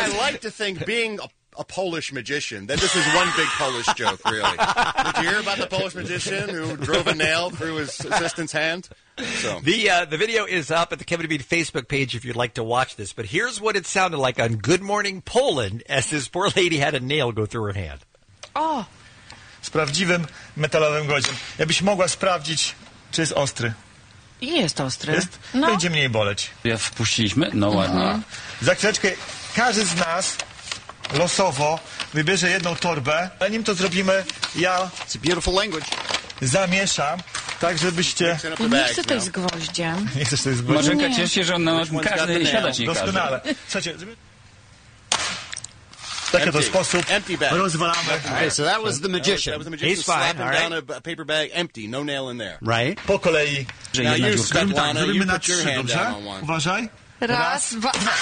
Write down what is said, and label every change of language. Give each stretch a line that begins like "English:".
English: I like to think being a Polish magician, that this is one big Polish joke, really. Did you hear about the Polish magician who drove a nail through his assistant's hand? So. The video is up at the Kevin Bean Facebook page if you'd like to watch this. But here's what it sounded like on Good Morning Poland as this poor lady had a nail go through her hand. Oh.
Polish: Z prawdziwym metalowym gwoździem. Jakbyś mogła sprawdzić Czy jest ostry? Jest ostry. Jest? No. Będzie mniej boleć. Ja wpuściliśmy? No ładnie. Mhm. Za chwileczkę każdy z nas losowo wybierze jedną torbę. Zanim to zrobimy, ja...
English: It's a beautiful language.
Polish: Zamieszam, tak żebyście... Nie chcę tej z gwoździem. Nie chcesz tej z gwoździem? Marzenka cieszy się, że on na każdy siadać nie doskonale. Słuchajcie, taki to sposób.
English: Empty bag.
Polish: Rozwalamy.
English: Okay, so that was the magician. He's fine, all right. Down a paper bag, empty, no nail in there. Right.
Polish: Po kolei.
English: Now you, Svetlana, you put your hand down on one.
Polish: Uważaj. Raz, dwa...